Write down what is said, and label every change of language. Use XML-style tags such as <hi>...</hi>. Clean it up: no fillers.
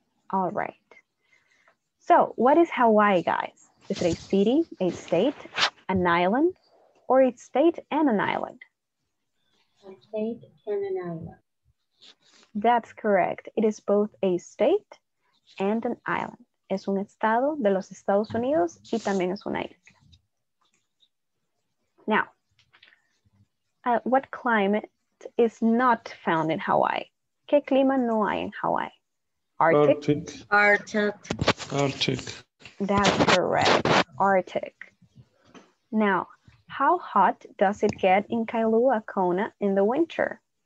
<en>All right. So what is Hawaii, guys? Is it a city, a state, an island, or a state and an island? A state and an island. That's correct. It is both a state and an island.</en> <es>Es un estado de los Estados Unidos y también es una isla.</es> <en>Now, what climate is not found in Hawaii?</en> <es>¿Qué clima no hay en Hawaii?</es> <en>Arctic. That's correct. Arctic. Now, how hot does it get in Kailua Kona in the winter?</en>